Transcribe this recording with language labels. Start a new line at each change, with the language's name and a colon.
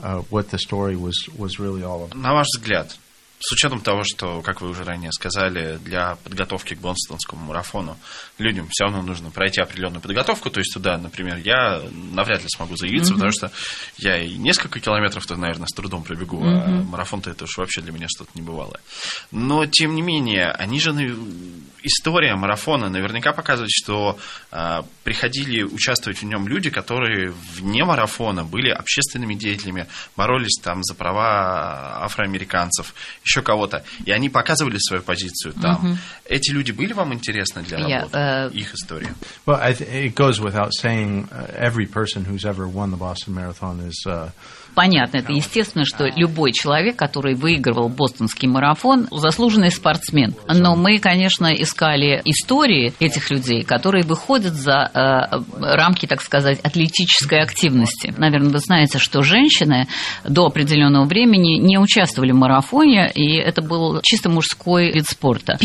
English: What the story was really all about.
Russian: На ваш взгляд, с учетом того, что, как вы уже ранее сказали, для подготовки к Бостонскому марафону людям все равно нужно пройти определенную подготовку, то есть туда, например, я навряд ли смогу заявиться, потому что я и несколько километров-то, наверное, с трудом пробегу, а марафон-то это уж вообще для меня что-то небывалое. Но, тем не менее, они же... История марафона наверняка показывает, что приходили участвовать в нем люди, которые вне марафона были общественными деятелями, боролись там за права афроамериканцев, еще кого-то, и они показывали свою позицию там. Эти люди были вам интересны для работы? Их история.
English: Well, it goes without saying, every person who's ever won the Boston Marathon is.
Russian: Понятно, это естественно, что любой человек, который выигрывал бостонский марафон, заслуженный спортсмен. Но мы, конечно, искали истории этих людей, которые выходят за рамки, так сказать, атлетической активности. Наверное, вы знаете, что женщины до определенного времени не участвовали в марафоне, и это был чисто мужской вид спорта.